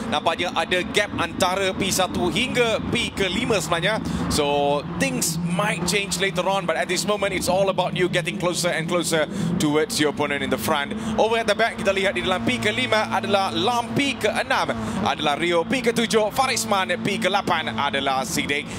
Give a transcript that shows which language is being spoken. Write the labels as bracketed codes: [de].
[ms] Nampaknya ada gap antara P1 hingga P5 sebenarnya. [en] So things might change later on, but at this moment it's all about you getting closer and closer towards your opponent in the front. Over at the back, [ms] kita lihat di dalam P5 adalah Lam, P6 adalah Rio, P7 Farisman, P8 adalah Sidik.